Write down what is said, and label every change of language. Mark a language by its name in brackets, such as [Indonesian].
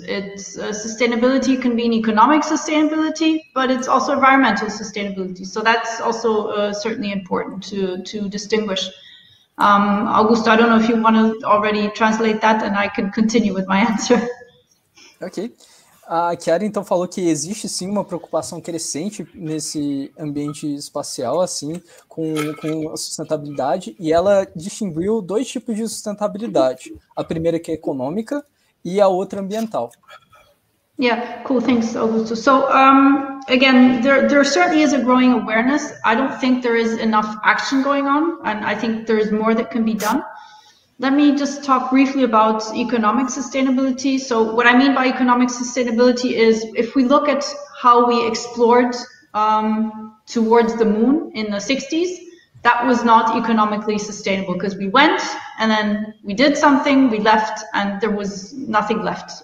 [English] It's sustainability can mean economic sustainability, but it's also environmental sustainability. So that's also certainly important to distinguish. Augusto, I don't know if you want to already translate that and I can continue with my answer. Ok. [Portuguese] A Kiara, então, falou que existe, sim, uma preocupação crescente nesse ambiente espacial, assim, com a sustentabilidade, e ela distinguiu dois tipos de sustentabilidade. A primeira, que é econômica, e a outra, ambiental. [English] Yeah, cool, thanks, Augusto. So, again, there certainly is a growing awareness. I don't think there is enough action going on, and I think there is more that can be done. Let me just talk briefly about economic sustainability. So what I mean by economic sustainability is, if we look at how we explored towards the moon in the 60s, that was not economically sustainable, because we went and then we did something, we left, and there was nothing left.